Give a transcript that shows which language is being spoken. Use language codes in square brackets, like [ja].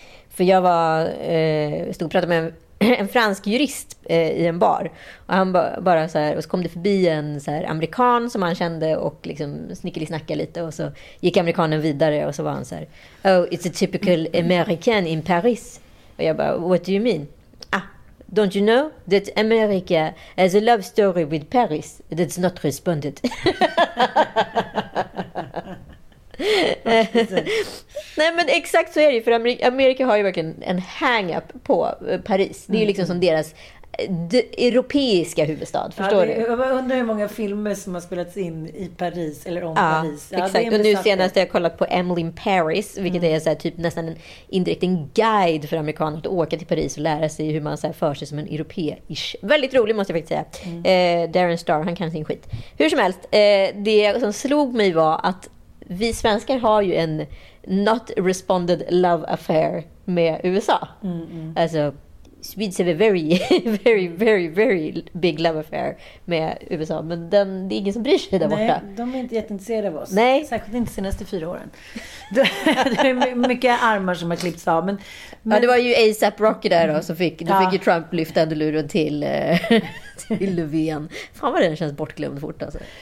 [sv] För jag var stod och pratade med en fransk jurist i en bar. Och han bara så här, och så kom det förbi en så här amerikan som han kände och liksom snickelisnackade lite. Och så gick amerikanen vidare och så var han så här, [en] oh, it's a typical American in Paris. [sv] Och jag bara, [en] what do you mean? Ah, don't you know that America has a love story with Paris that's not responded? [sv] Nej, men exakt så är det. För Amerika har ju verkligen en hang-up på Paris. Det är ju liksom som deras europeiska huvudstad, förstår du? Jag undrar hur många filmer som har spelats in i Paris eller om Paris. Ja, exakt. Och nu senast har jag kollat på Emily in Paris, vilket är så här typ nästan en indirekt en guide för amerikaner att åka till Paris och lära sig hur man så här för sig som en europeisk. Väldigt rolig måste jag faktiskt säga. Darren Star, han kan sin skit. Hur som helst, det som slog mig var att vi svenskar har ju en [en] not responded love affair [sv] med USA. Alltså [en] Swedes have a very, very, very, very big love affair [sv] med USA. Men den, det är ingen som bryr sig där borta. Nej, de är inte jätteintresserade av oss. Nej. Särskilt inte de senaste 4 åren. Det är mycket armar som har klippts av. Men... Ja, det var ju A$AP Rocky där då. Så fick, då fick ju Trump lyfta ändå luren till, till Löfven. Fan vad den känns bortglömd fort alltså.